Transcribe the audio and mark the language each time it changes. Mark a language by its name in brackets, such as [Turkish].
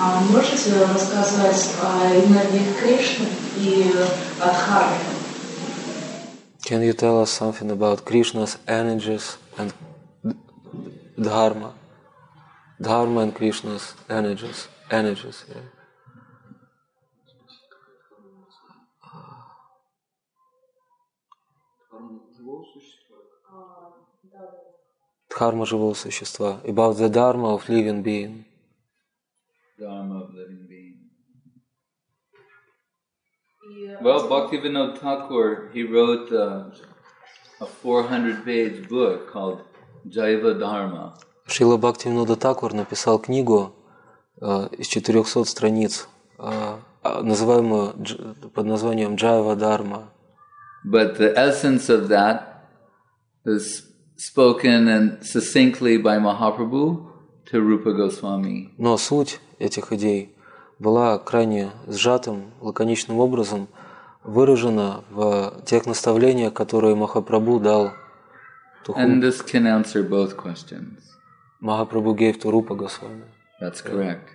[Russian] Можете рассказать о энергии Кришны и Дхармы? [English] Can you tell us something about Krishna's energies and Dharma? Dharma and Krishna's energies, yeah. [Russian] Дхарма живого существа. [English] About the dharma of living being. Dharma of living being. Yeah. Well, Bhaktivinoda Thakur, he wrote a 400-page book called Jaiva Dharma. [Russian] Шрила Бхактивинода Такур написал книгу из 400 страниц, называемую под названием Jaiva Dharma. [English] But the essence of that is spoken and succinctly by Mahaprabhu to Rupa Goswami. [Russian] Но суть этих идей была крайне сжатым, лаконичным образом выражена в тех наставлениях, которые Махапрабху дал. [English] And this can answer both questions. Махапрабху gave to Rupa Goswami. That's correct.